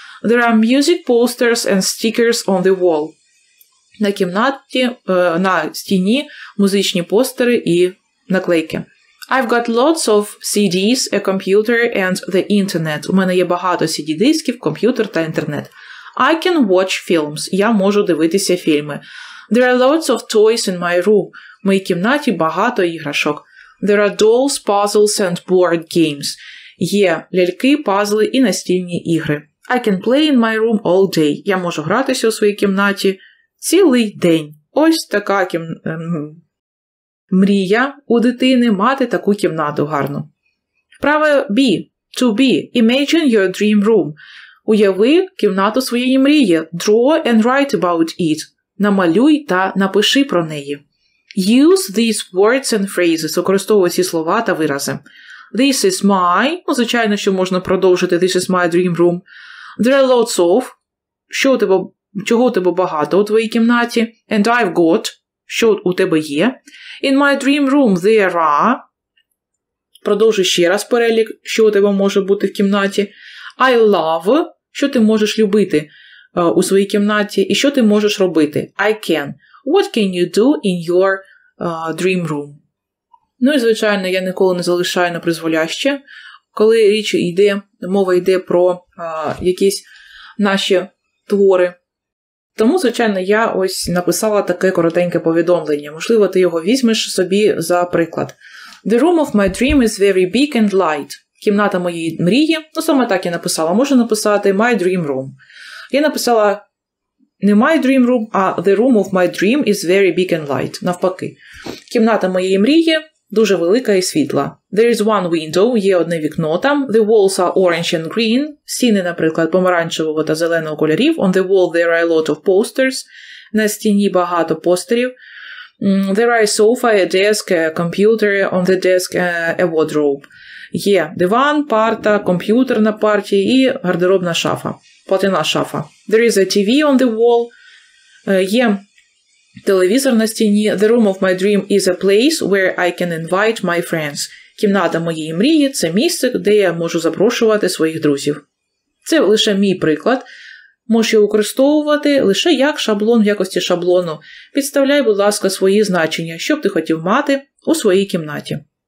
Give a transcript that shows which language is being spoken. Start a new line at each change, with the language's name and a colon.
English: There are music posters and stickers on the wall.
Ukrainian: На кімнаті, на стіні музичні постери і наклейки.
English: I've got lots of CDs, a computer and the internet.
Ukrainian: У мене є багато CD-дисків, комп'ютер та інтернет.
English: I can watch films.
Ukrainian: Я можу дивитися фільми.
English: There are lots of toys in my room.
Ukrainian: У моїй кімнаті багато іграшок.
English: There are dolls, puzzles and board games.
Ukrainian: Є ляльки, пазли і настільні ігри.
English: I can play in my room all day.
Ukrainian: Я можу гратися у своїй кімнаті цілий день. Ось така мрія у дитини мати таку кімнату гарну.
English: Право B. To be. Imagine your dream room.
Ukrainian: Уяви кімнату своєї мрії.
English: Draw and write about it.
Ukrainian: Намалюй та напиши про неї.
English: Use these words and phrases.
Ukrainian: Використовуй ці слова та вирази.
English: This is my.
Ukrainian: Ну, звичайно, що можна продовжити.
English: This is my dream room. There are lots of.
Ukrainian: Що у тебе... Чого у тебе багато у твоїй кімнаті?
English: And I've got.
Ukrainian: Що у тебе є?
English: In my dream room there are.
Ukrainian: Продовжуй ще раз перелік, що у тебе може бути в кімнаті.
English: I love.
Ukrainian: Що ти можеш любити у своїй кімнаті? І що ти можеш робити?
English: I can. What can you do in your dream room?
Ukrainian: Ну і, звичайно, я ніколи не залишаю напризволяще, коли річ йде, мова йде про якісь наші твори. Тому, звичайно, я ось написала таке коротеньке повідомлення. Можливо, ти його візьмеш собі за приклад.
English: The room of my dream is very big and light.
Ukrainian: Кімната моєї мрії. Ну, саме так я написала. Можу написати
English: my dream room.
Ukrainian: Я написала не
English: my dream room,
Ukrainian: а
English: the room of my dream is very big and light.
Ukrainian: Навпаки. Кімната моєї мрії дуже велика і світла.
English: There is one window.
Ukrainian: Є одне вікно там.
English: The walls are orange and green.
Ukrainian: Стіни, наприклад, помаранчевого та зеленого кольорів.
English: On the wall there are a lot of posters.
Ukrainian: На стіні багато постерів.
English: There are a sofa, a desk, a computer. On the desk a wardrobe.
Ukrainian: Є диван, парта, комп'ютер на парті і гардеробна шафа. Платяна шафа.
English: There is a TV on the wall.
Ukrainian: Є телевізор на стіні.
English: The room of my dream is a place where I can invite my friends.
Ukrainian: Кімната моєї мрії – це місце, де я можу запрошувати своїх друзів. Це лише мій приклад. Можеш його використовувати лише як шаблон в якості шаблону. Підставляй, будь ласка, свої значення, що б ти хотів мати у своїй кімнаті.